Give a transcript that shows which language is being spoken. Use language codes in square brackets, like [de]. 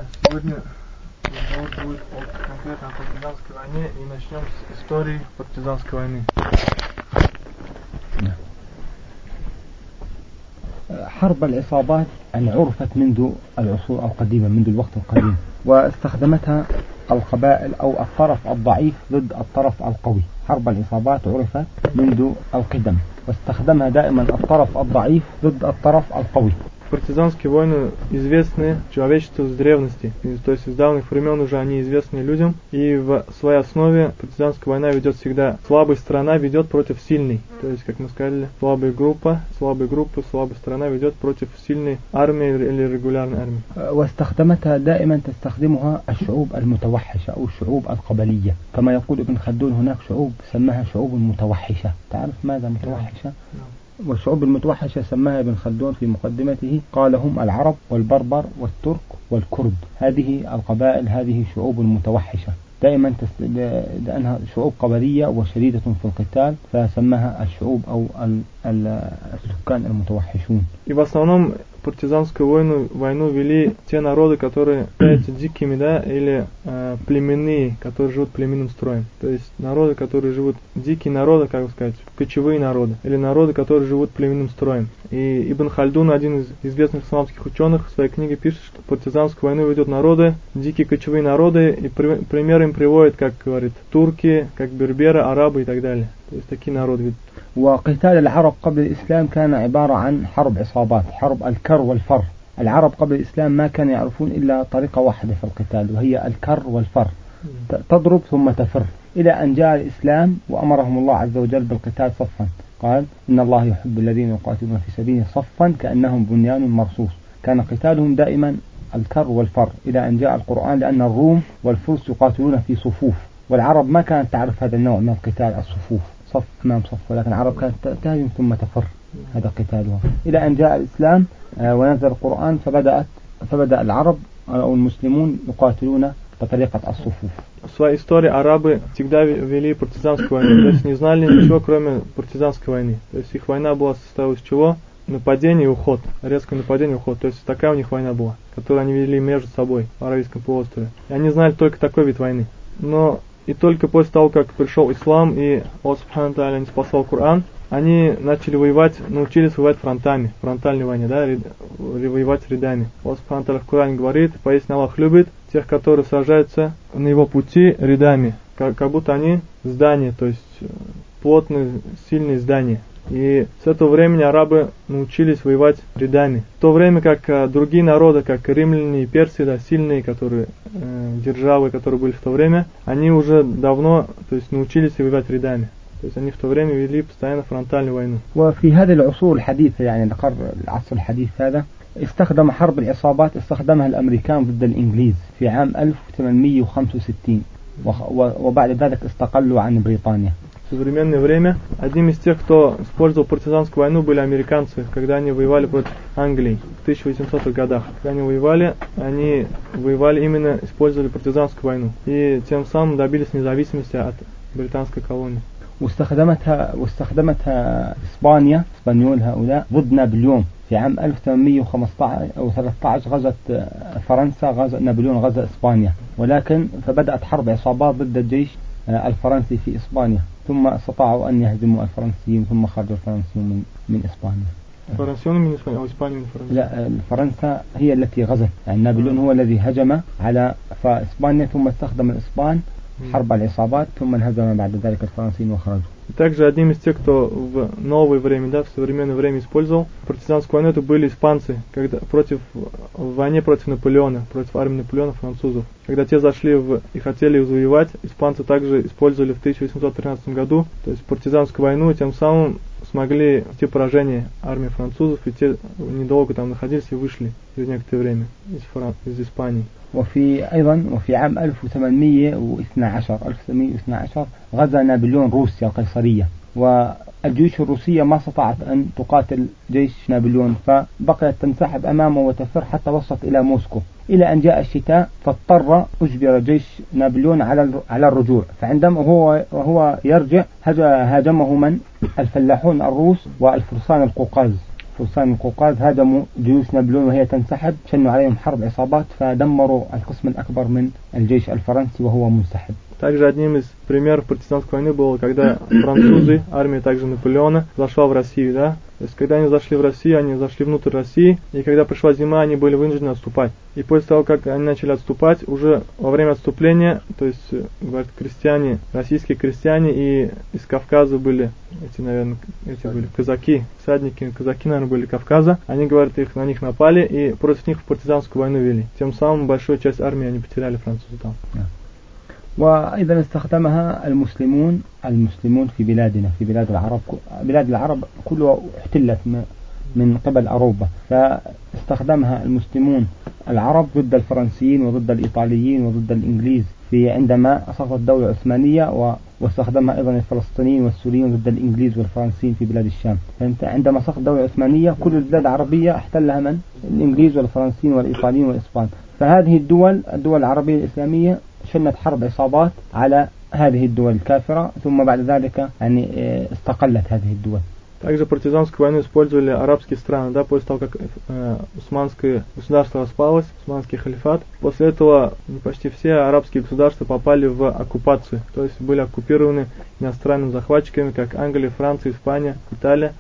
[ru] сегодня разговор будет о конкретно партизанской войне и начнем с истории партизанской войны. [ar] حرب العصابات أن عرفت منذ العصور القديمة منذ الوقت القديم واستخدمتها القبائل أو الطرف الضعيف ضد الطرف القوي. حرب العصابات عرفت منذ القدم واستخدمها دائما الطرف الضعيف ضد الطرف القوي. [ru] Партизанские войны известны человечеству с древности, то есть с давних времен уже они известны людям, и в своей основе партизанская война ведет всегда слабая сторона ведет против сильной, то есть, как мы сказали, слабая группа, слабая сторона ведет против сильной армии или регулярной армии. [ar] واستخدمتها دائما تستخدمها الشعوب المتوحشة أو الشعوب القبلية كما يقول ابن خلدون هناك شعوب سماها شعوب متوحشة. تعرف ماذا متوحشة؟ والشعوب المتوحشة سماها ابن خلدون في مقدمته قال هم العرب والبربر والترك والكرد. هذه القبائل هذه شعوب متوحشة دائما لأنها شعوب قبلية وشديدة في القتال فسمها الشعوب أو السكان المتوحشون. [ru] Партизанскую войну вели те народы, которые являются дикими, да, или племенные, которые живут племенным строем. То есть народы, которые живут, дикие народы, как бы сказать, кочевые народы, или народы, которые живут племенным строем. И Ибн Хальдун, один из известных исламских ученых, в своей книге пишет, что партизанскую войну ведут народы, дикие кочевые народы, и пример им приводит, как говорит, турки, как берберы, арабы и так далее. То есть такие народы ведут. [ar] وقتال العرب قبل الإسلام كان عبارة عن حرب عصابات حرب الكر والفر. العرب قبل الإسلام ما كانوا يعرفون إلا طريقة واحدة في القتال وهي الكر والفر تضرب ثم تفر إلى أن جاء الإسلام وأمرهم الله عز وجل بالقتال صفا قال إن الله يحب الذين يقاتلون في سبيله صفا كأنهم بنيان مرصوص. كان قتالهم دائما الكر والفر إلى أن جاء القرآن لأن الروم والفرس يقاتلون في صفوف والعرب ما كانت تعرف هذا النوع من القتال الصفوف صف أمام صف ولكن العرب كانت تهاجم ثم تفر هذا قتالها إلى أن جاء الإسلام ونزل القرآن فبدأ العرب أو المسلمون يقاتلون بطريقة الصفوف. [ru] В своей истории арабы всегда вели партизанскую войну, то есть не знали ничего кроме партизанской войны. То есть их война была состояла из чего? Нападение и уход, резкое нападение и уход. То есть такая у них война была, которую они вели между собой в Аравийском полуострове. И они знали только такой вид войны. Но и только после того, как пришел ислам и Аллах Субхана ва Тааля ниспослал Коран, они начали воевать, научились воевать фронтами, фронтальной войне, да, воевать рядами. Аллах Субхана ва Тааля в Коране говорит, поистине Аллах любит тех, которые сражаются на его пути рядами, как будто они здания, то есть плотные, сильные здания. И с этого времени арабы научились воевать рядами. В то время как другие народы, как римляне и персы, да, сильные, которые державы, которые были в то время, они уже давно, то есть научились воевать рядами. То есть они в то время вели постоянно фронтальную войну. [ar] وفي هذه العصور الحديثة يعني القرن العصر الحديث هذا استخدم حرب العصابات استخدمها الأمريكان ضد الإنجليز في عام 1865 وبعد ذلك استقلوا عن بريطانيا. [ru] В современное время одним из тех, кто использовал партизанскую войну, были американцы, когда они воевали против Англии в 1800-х годах. Когда они воевали именно, использовали партизанскую войну. И тем самым добились независимости от британской колонии. [ar] واستخدمتها إسبانيا إسبانيول هؤلاء ضد نابليون في عام 1813 غزت فرنسا نابليون غزا إسبانيا ولكن فبدأت حرب عصابات ضد الجيش الفرنسي في إسبانيا ثم استطاعوا أن يهزموا الفرنسيين ثم خرج الفرنسيون من إسبانيا. الفرنسيون من إسبانيا أو إسبانيا من فرنسا؟ لا الفرنسا هي التي غزت يعني نابليون هو الذي هجم على فإسبانيا ثم استخدم الإسبان حرب العصابات ثم انهزم بعد ذلك الفرنسيين وخرجوا. [ru] Также одним из тех, кто в новое время, да, в современное время использовал партизанскую войну, это были испанцы, когда против в войне против Наполеона, против армии Наполеона французов. Когда те зашли в и хотели их завоевать, испанцы также использовали в 1813 году, то есть партизанскую войну, и тем самым смогли те поражение армии французов, и те недолго там находились и вышли через некоторое время из Испании. [ar] وفي أيضا وفي عام 1812 غزا نابليون روسيا القيصرية والجيوش الروسية ما استطاعت أن تقاتل جيش نابليون فبقيت تنسحب أمامه وتفر حتى وصلت إلى موسكو إلى أن جاء الشتاء فاضطر أجبر جيش نابليون على الرجوع فعندما هو يرجع هاجمه من الفلاحون الروس والفرسان القوقاز. فرسان القوقاز هدموا جيوش نابليون وهي تنسحب، شنوا عليهم حرب عصابات فدمروا القسم الأكبر من الجيش الفرنسي وهو منسحب. [ru] Также одним из примеров партизанской войны было, когда французы, армия также Наполеона, зашла в Россию, да? То есть, когда они зашли в Россию, они зашли внутрь России, и когда пришла зима, они были вынуждены отступать. И после того, как они начали отступать, уже во время отступления, то есть, говорят, крестьяне, российские крестьяне и из Кавказа были, эти, наверное, эти были казаки, всадники, казаки, наверное, были Кавказа, они, говорят, их на них напали и против них в партизанскую войну вели. Тем самым большую часть армии они потеряли французы там. [ar] وأيضا استخدمها المسلمون في بلادنا في بلاد العرب بلاد العرب كلها احتلت من قبل أوروبا فاستخدمها المسلمون العرب ضد الفرنسيين وضد الإيطاليين وضد الإنجليز في عندما سقطت الدولة العثمانية واستخدمها أيضا الفلسطينيين والسوريين ضد الإنجليز والفرنسيين في بلاد الشام فأنت عندما سقطت الدولة العثمانية كل البلاد العربية احتلها من الإنجليز والفرنسيين والإيطاليين والإسبان فهذه الدول العربية الإسلامية شنت حرب عصابات على هذه الدول الكافرة ثم بعد ذلك يعني استقلت هذه الدول. [ru] Также партизанскую войну использовали арабские страны, да, после того, как Османское государство распалось, Османский халифат. После этого почти все арабские государства попали в оккупацию, то есть были оккупированы иностранными захватчиками, как Англия, Франция, Испания, Италия.